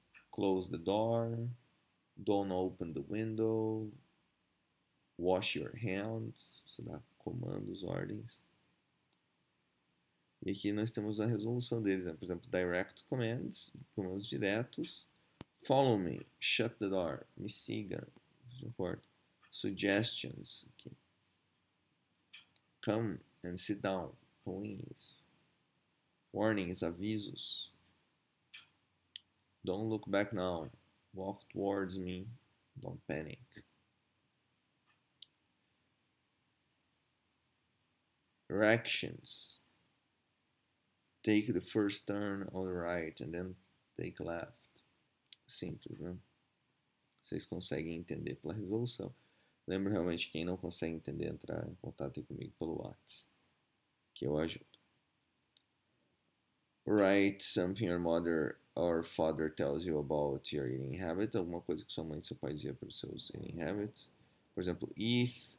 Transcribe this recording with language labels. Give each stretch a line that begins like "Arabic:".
English: Close the door. Don't open the window. Wash your hands,
Portuguese: você dá comandos, ordens. E aqui nós temos a resolução deles, né? Por exemplo,
English: direct commands,
Portuguese: comandos diretos.
English: Follow me, shut the door,
Portuguese: me siga,
English: suggestions, okay. Come and sit down, please. Warnings, avisos. Don't look back now, walk towards me, don't panic. Directions. Take the first turn on the right and then take left.
Portuguese: Simples, né? Vocês conseguem entender pela resolução. Lembro realmente, quem não consegue entender, entrar em contato comigo pelo WhatsApp, que eu ajudo.
English: Write something your mother or father tells you about your eating habits.
Portuguese: Alguma coisa que sua mãe e seu pai dizia para os seus eating habits. Por exemplo, if